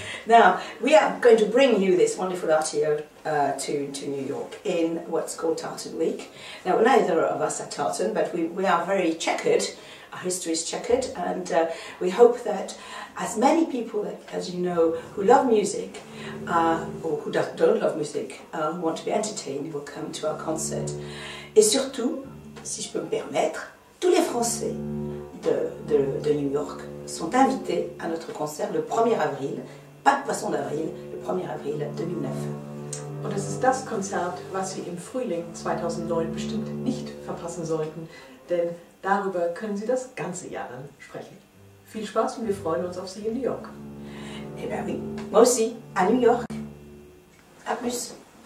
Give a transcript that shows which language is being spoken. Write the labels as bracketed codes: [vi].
[en] Now, we are going to bring you this wonderful RTO to New York in what's called Tartan Week. Now, neither of us are Tartan, but we are very checkered. Our history is checkered, and we hope that as many people, as you know, who love music, or who don't love music, who want to be entertained, will come to our concert. [fr] Et surtout, si je peux me permettre, tous les Français de New York sont invités à notre concert le 1er avril, pas de poisson d'avril, le 1er avril 2009. [de] Und es ist das Konzert, was Sie im Frühling 2009 bestimmt nicht verpassen sollten, denn darüber können Sie das ganze Jahr dann sprechen. Viel Spaß und wir freuen uns auf Sie in New York. [fr] Eh bien, oui. Moi aussi, à New York. À plus.